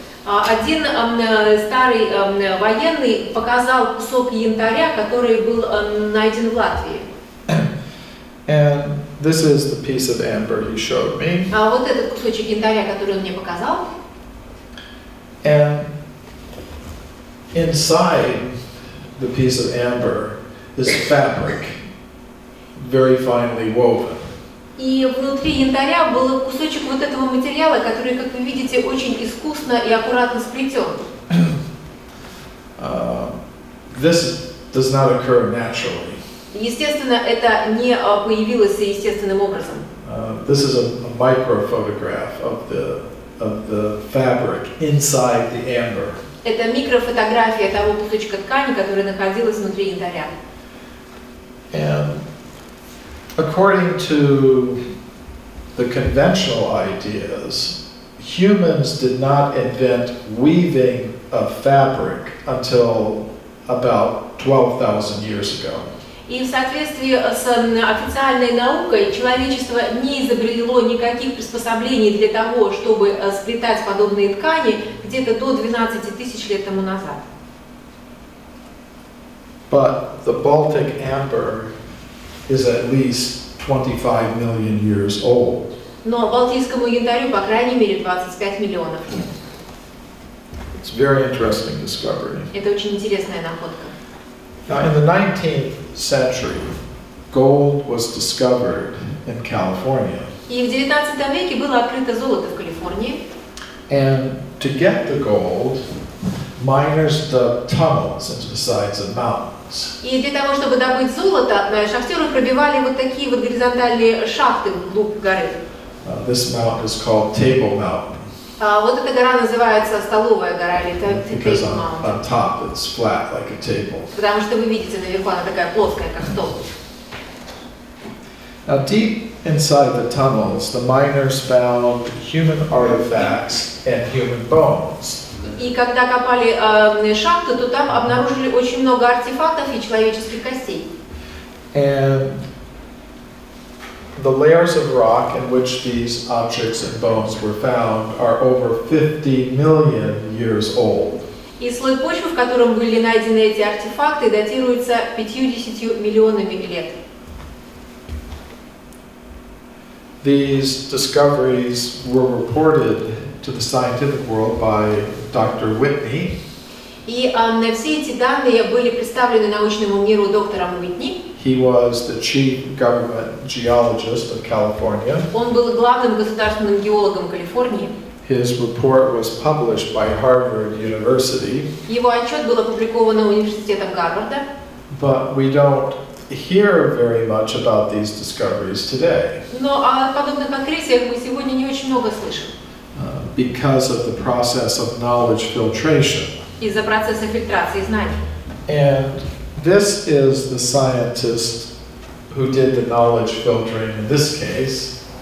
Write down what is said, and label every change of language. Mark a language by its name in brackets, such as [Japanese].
[Russian] Один старый военный показал кусок янтаря, который был найден в Латвии. [English] And this is the piece of amber he showed me. [Russian] А вот этот кусочек янтаря, который он мне показал. [English] And inside the piece of amber is fabric, very finely woven. [Russian] И внутри янтаря был кусочек вот этого материала, который, как вы видите, очень искусно и аккуратно сплетен. [English] This does not occur naturally. [Russian] Естественно, это не появилось естественным образом. [English] This is a micro photograph of the fabric inside the amber. [Russian] Это микрофотография того кусочка ткани, который находился внутри янтаря. [English] And according to the conventional ideas, humans did not invent weaving of fabric until about 12,000 years ago. [Russian] И в соответствии с официальной наукой, человечество не изобрело никаких приспособлений для того, чтобы сплетать подобные ткани где-то до 12 тысяч лет тому назад. [English] But the Baltic amber is at least 25 million years old. [Russian] Но Балтийскому янтарю по крайней мере 25 миллионов лет. [English] It's a very interesting discovery. [Russian] Это очень интересная находка. [English] Now, in the 19th century, gold was discovered in California. [Russian] И в 19 веке было открыто золото в Калифорнии. [English] And to get the gold, miners dug tunnels into the sides of mountains. [Russian] И для того, чтобы добыть золото, шахтеры пробивали вот такие вот горизонтальные шахты вглубь горы. [English] This mountain is called Table Mountain. [Russian] Вот эта гора называется Столовая гора, или Table Mountain. [English] Because on top it's flat like a table. [Russian] Потому что вы видите наверху, она такая плоская, как стол. [English] Now deep inside the tunnels, the miners found human artifacts and human bones. [Russian] И когда копали шахты, то там обнаружили очень много артефактов и человеческих костей. [English] And the layers of rock in which these objects and bones were found are over 50 million years old. [Russian] И слой почвы, в котором были найдены эти артефакты, датируется 50 миллионами лет. [English] These discoveries were reported to the scientific world by Dr. Whitney. [Russian] И все эти данные были представлены научному миру доктором Уитни. [English] He was the chief government geologist of California. [Russian] Он был главным государственным геологом Калифорнии. [English] His report was published by Harvard University. [Russian] Его отчет был опубликован университетом Гарварда. [English] But we don't hear very much about these discoveries today. [Russian] Но о подобных открытиях мы сегодня не очень много слышим. [English] Because of the process of knowledge filtration. [Russian] Из-за процесса фильтрации знаний. [English] And this is the scientist who did the knowledge filtering in this case.